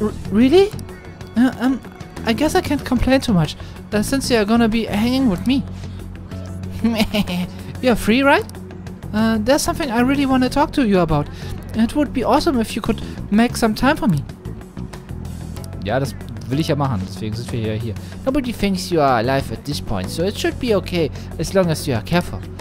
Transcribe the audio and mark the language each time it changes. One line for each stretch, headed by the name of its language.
English: Really? I guess I can't complain too much, since you're gonna be hanging with me. You're free, right? There's something I really want to talk to you about. It would be awesome if you could make some time for me.
German: Ja, das will ich ja machen, deswegen sind wir ja hier.
English: Nobody thinks you are alive at this point, so it should be okay, as long as you are careful.